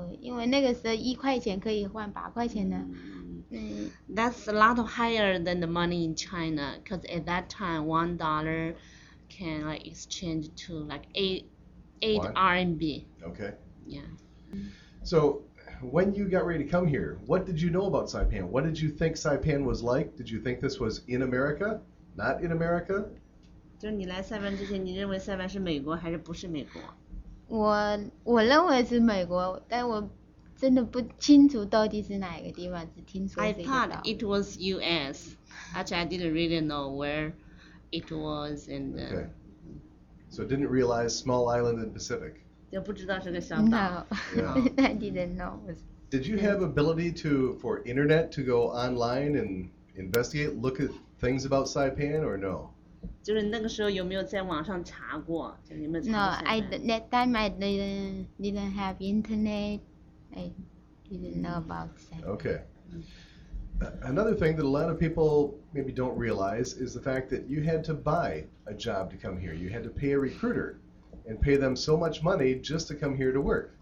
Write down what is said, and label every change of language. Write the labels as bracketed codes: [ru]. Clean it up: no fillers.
[zh] 就说在美国很多的美国人以及美国的国会员都认为在塞班的工资特别的低。那么说就你来说，就塞班的工资跟中国来比，是不是就是高的很多？是啊，塞班拿中国来比是高的很多，因为那个时候一块钱可以换八块钱的。 [en] That's a lot higher than the money in China, because at that time $1 can like exchange to like eight RMB. Okay. Yeah. So when you got ready to come here, what did you know about Saipan? What did you think Saipan was like? Did you think this was in America, not in America? [zh] 就你来Saipan之前，你认为Saipan是美国还是不是美国？我认为是美国，但我真的不清楚到底是哪个地方，只听说这个岛。 [en] I thought it was U.S. Actually, I didn't really know where it was. And, okay. So didn't realize small island in Pacific. [zh] 也不知道是个小岛。 [en] No. I didn't know. Did you have ability for internet to go online and investigate, look at things about Saipan or no? [zh] 就是那个时候有没有在网上查过？就你们查过 [en] ？No, at that time I didn't have internet. I didn't know about that. Okay. Another thing that a lot of people maybe don't realize is the fact that you had to buy a job to come here. You had to pay a recruiter and pay them so much money just to come here to work.